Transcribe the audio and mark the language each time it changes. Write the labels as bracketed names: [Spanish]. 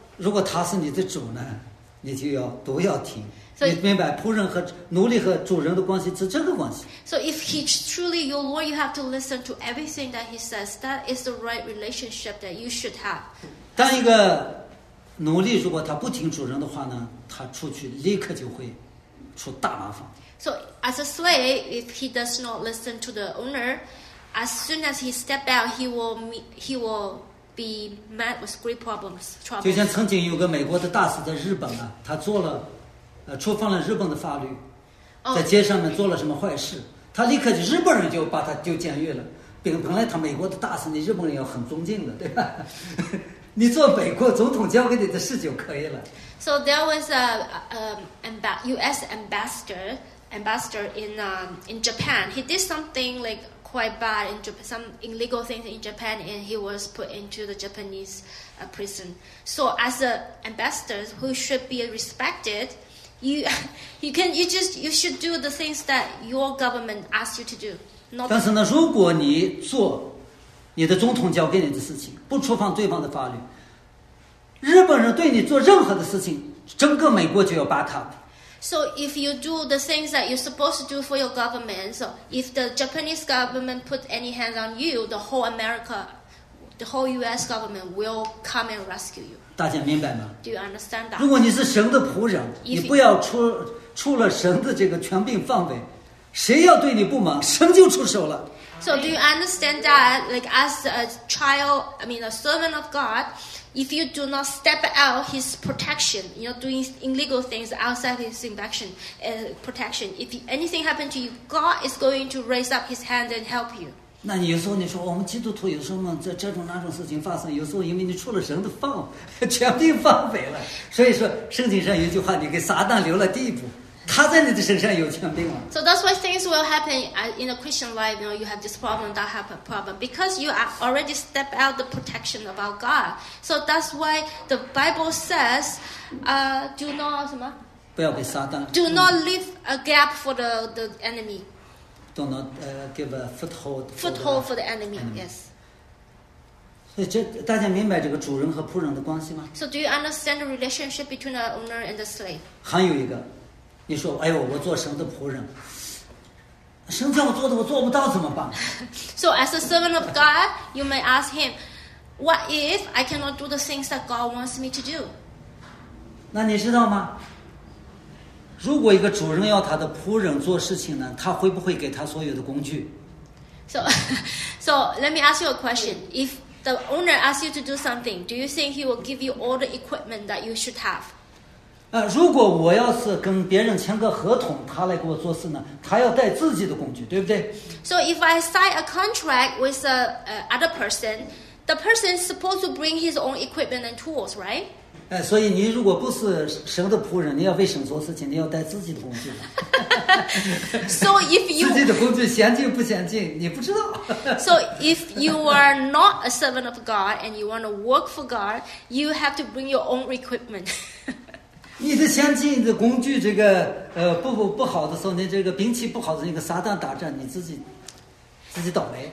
[Chinese] 如果他是你的主呢，你就要都要听。 So, 你明白仆人和奴隶和主人的关系是这个关系。 [English] So if he's truly your Lord, you have to listen to everything that he says. That is the right relationship that you should have. [Chinese] 当一个奴隶如果他不听主人的话呢，他出去立刻就会。出大麻烦。 [English] So as a slave, if he does not listen to the owner, as soon as he step out, he will be met with great problems. [Chinese] 就像曾经有个美国的大使在日本啊，他做了，触犯了日本的法律，在街上面做了什么坏事，他立刻日本人就把他丢监狱了。本来他美国的大使，你日本人要很尊敬的，对吧？你做美国总统交给你的事就可以了。 [English] So there was a U.S. ambassador ambassador in Japan. He did something like quite bad in Japan, some illegal things in Japan, and he was put into the Japanese prison. So as an ambassador who should be respected, you should do the things that your government asks you to do. Not [Chinese] 但是呢，如果你做你的总统交给你的事情，不触犯对方的法律，日本人对你做任何的事情，整个美国就要 [English] back up。 So if you do the things that you're supposed to do for your government, so if the Japanese government put any hands on you, the whole America, the whole U.S. government will come and rescue you. [Chinese] 大家明白吗？ [English] Do you understand that? [Chinese] 如果你是神的仆人， [English] if、 [Chinese] 你不要出了神的这个权柄范围，谁要对你不满，神就出手了。 [English] So do you understand that? Like as a child, I mean a servant of God, if you do not step out His protection, you're doing illegal things outside His protection. Protection. If anything happens to you, God is going to raise up His hand and help you. [Chinese] 那你有时候你说我们基督徒有时候在这种那种事情发生，有时候因为你出了神的放权柄范围了，所以说圣经上有一句话，你给撒旦留了地步。 [English] So that's why things will happen in a Christian life. You know, you have this problem, that have a problem, because you are already step out the protection of our God. So that's why the Bible says, "Do not [Chinese] 什么？不要给撒旦。 [English] Do not leave a gap for the enemy. Do not give a foothold. Foothold for the enemy. Yes. [Chinese] 所以这大家明白这个主人和仆人的关系吗 [English] ？So do you understand the relationship between the owner and the slave? [Chinese] 还有一个。你说，哎呦，我做神的仆人，神叫我做的，我做不到怎么办 [English] ？So as a servant of God, you may ask Him, "What if I cannot do the things that God wants me to do?" [Chinese] 那你知道吗？如果一个主人要他的仆人做事情呢，他会不会给他所有的工具 [English] ？So let me ask you a question. If the owner asks you to do something, do you think he will give you all the equipment that you should have? [Chinese] 如果我要是跟别人签个合同，他来给我做事呢，他要带自己的工具，对不对 [English] ？So if I sign a contract with a other person, the person is supposed to bring his own equipment and tools, right? [Chinese] 所以你如果不是神的仆人，你要为神做事情，你要带自己的工具。 [English] So if you [Chinese] 自己的工具先进不先进，你不知道。 [English] So if you are not a servant of God and you want to work for God, you have to bring your own equipment. [Chinese] 你的先进的工具，这个不好的时候，你这个兵器不好的，那个撒旦打仗，你自己倒霉。